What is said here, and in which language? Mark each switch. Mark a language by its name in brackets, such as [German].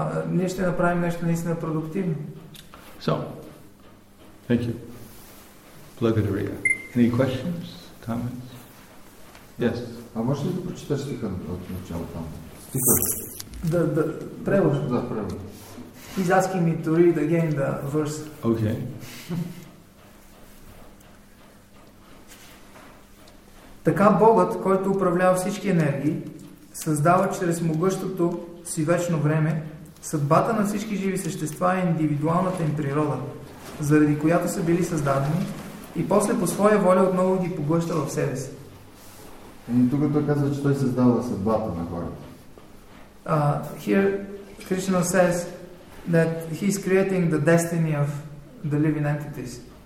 [Bulgarian] Ние ще направим нещо наистина продуктивно. [English] So, thank you. [Bulgarian] Благодаря. [English] Any questions, comments? Yes. [Bulgarian] А може ли да прочиташ стиха от начало там? Стиха? Да, превод. Да, превод. [English] He's asking me to read again the verse. Okay. [Bulgarian] Така Богът, който управлява всички енергии, създава чрез могъщото си вечно време, съдбата на всички живи същества е индивидуалната им природа, заради която са били създадени и после по своя воля отново ги поглъща в себе си. И тук той казва, че той създава съдбата на хората. [English] Here Krishna says that he is creating the destiny of the living entities.